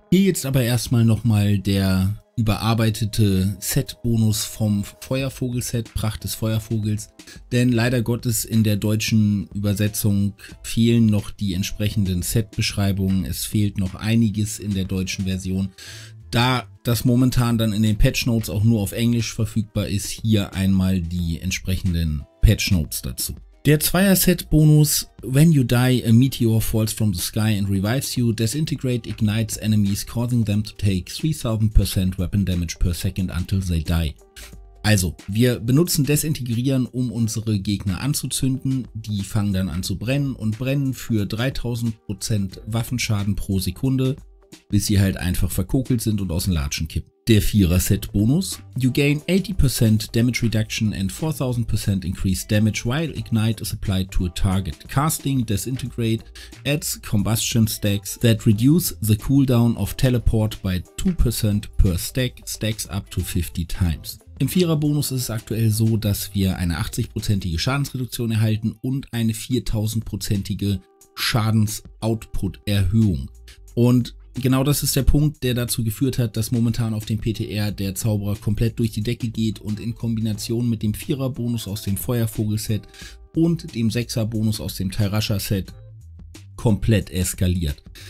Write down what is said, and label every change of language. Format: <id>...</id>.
<de>Hier jetzt aber erstmal nochmal der überarbeitete Set-Bonus vom Feuervogel-Set, Pracht des Feuervogels, denn leider Gottes in der deutschen Übersetzung fehlen noch die entsprechenden Set-Beschreibungen, es fehlt noch einiges in der deutschen Version. Da das momentan dann in den Patchnotes auch nur auf Englisch verfügbar ist, hier einmal die entsprechenden Patchnotes dazu.</de> <en>Der Zweier-Set-Bonus, when you die, a meteor falls from the sky and revives you, disintegrate ignites enemies, causing them to take 3000% weapon damage per second until they die.</en> <de>Also, wir benutzen Desintegrieren, um unsere Gegner anzuzünden. Die fangen dann an zu brennen und brennen für 3000% Waffenschaden pro Sekunde, bis sie halt einfach verkokelt sind und aus dem Latschen kippen. Der Vierer-Set-Bonus.</de> <en>You gain 80% Damage Reduction and 4000% Increased Damage while Ignite is applied to a target. Casting Disintegrate adds Combustion Stacks that reduce the cooldown of Teleport by 2% per Stack, stacks up to 50 times.</en> <de>Im Vierer-Bonus ist es aktuell so, dass wir eine 80%ige Schadensreduktion erhalten und eine 4000%ige Schadens-Output-Erhöhung. Und genau das ist der Punkt, der dazu geführt hat, dass momentan auf dem PTR der Zauberer komplett durch die Decke geht und in Kombination mit dem Vierer-Bonus aus dem Feuervogel-Set und dem Sechser-Bonus aus dem Tairasha-Set komplett eskaliert.</de>